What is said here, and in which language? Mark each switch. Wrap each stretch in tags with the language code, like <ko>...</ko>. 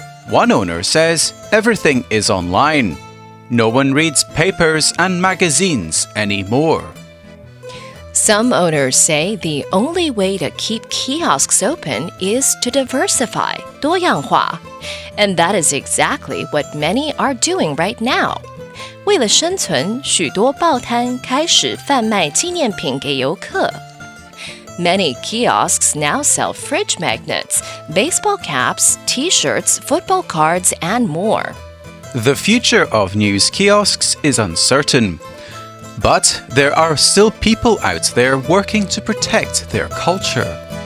<en>One owner says everything is online. No one reads papers and magazines anymore. Some owners say the only way to keep kiosks open is to diversify, 多样化. And that is exactly what many are doing right now.</en> <zh>为了生存, 许多报摊开始贩卖纪念品给游客。</zh> <en>Many kiosks now sell fridge magnets, baseball caps, t-shirts, football cards, and more. The future of news kiosks is uncertain. But there are still people out there working to protect their culture.</en>